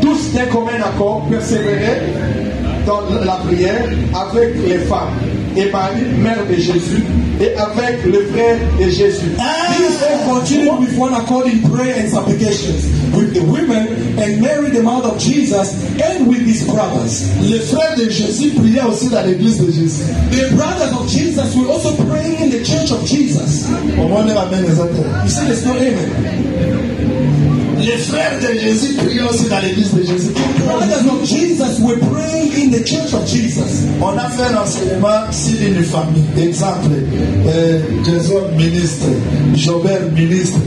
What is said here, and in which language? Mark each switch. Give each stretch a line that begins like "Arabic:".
French: Tous d'un commun accord persévéraient dans la prière avec les femmes et Marie, mère de Jésus, et avec le frère de Jésus.
English: These all continued with one accord in prayer and supplications with the women and Mary, the mother of Jesus, and with his brothers.
French: Le frère de Jésus priait aussi dans l'église de Jésus.
English: The brothers of Jesus were also praying in the church of Jesus. Amen. You see, there's no amen.
French: Le frère de Jésus priait aussi dans l'église de Jésus.
English: The brothers of Jesus were praying in the church of Jesus.
French: On a fait un enseignement sur une famille. Exemple, Jésus ministre, Jobert ministre.